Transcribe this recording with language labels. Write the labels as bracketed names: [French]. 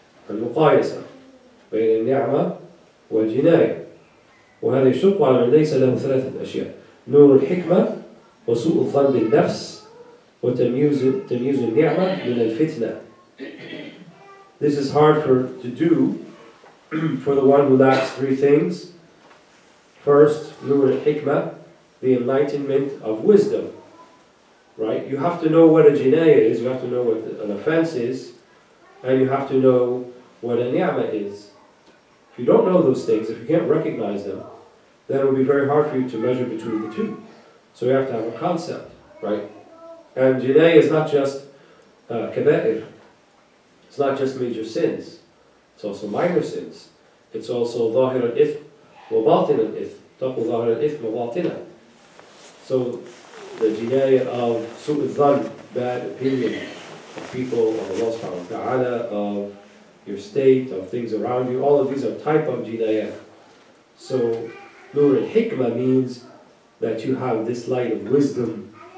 [Arabic] الْمُقَايَسَةُ بَيْنَ النِّعْمَةِ وَالْجِنَايَةِ وهذا يشق على من ليس له ثلاثة أشياء: نور الحكمة وسوء الظن بالنفس وتمييز النعمة من الفتنة. [English] This is hard to do for the one who lacks three things. First, نور الحكمة, the enlightenment of wisdom. Right? You have to know what a jinaya is, you have to know what an offense is, and you have to know what a ni'mah is. If you don't know those things, if you can't recognize them, then it will be very hard for you to measure between the two. So you have to have a concept, right? And jinaya is not just kaba'ir. It's not just major sins. It's also minor sins. It's also [Arabic] ظاهر الإثم وباطن الإثم. تقول ظاهر الإثم وباطن. [English] So the jinaya of su' al-dhan, bad opinion of people, of Allah subhanahu wa ta'ala, of your state, of things around you, all of these are type of jinaya. So Nur al-Hikmah means that you have this light of wisdom.